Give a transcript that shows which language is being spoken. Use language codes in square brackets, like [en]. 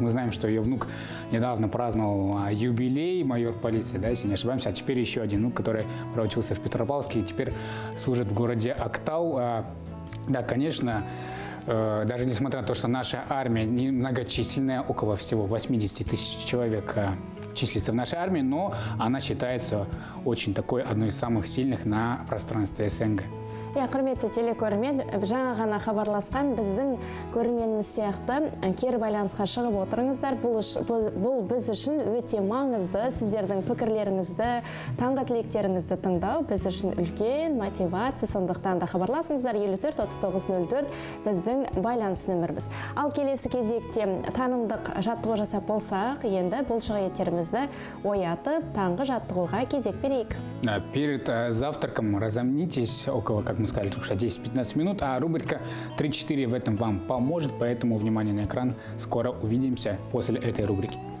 [ru] Мы знаем, что ее внук недавно праздновал юбилей, майор полиции, да, если не ошибаемся. А теперь еще один внук, который проучился в Петропавловске и теперь служит в городе Актау. Да, конечно, даже несмотря на то, что наша армия немногочисленная, около всего 80 тысяч человек числится в нашей армии, но она считается очень такой одной из самых сильных на пространстве СНГ. [kk] Я құрметті телекөрмен, жаңа ғана хабарласқан біздің көрменіміз сияқты кер байланысқа шығып отырыңыздар. Бұл біз үшін өте маңызды, сіздердің пікірлеріңізді, таңғы тілектеріңізді тыңдау біз үшін үлкен мотивация. Сондықтан да хабарласыңыздар 54-39-04 біздің байланыс нөміріміз. Ал келесі кезекте танымдық жаттығу жасап болсақ, енді бұлшық еттерімізді оятып таңғы жаттығуға кезек берейік. [ru] Перед завтраком разомнитесь около, как мы сказали, 10-15 минут, а рубрика 3-4 в этом вам поможет, поэтому внимание на экран, скоро увидимся после этой рубрики.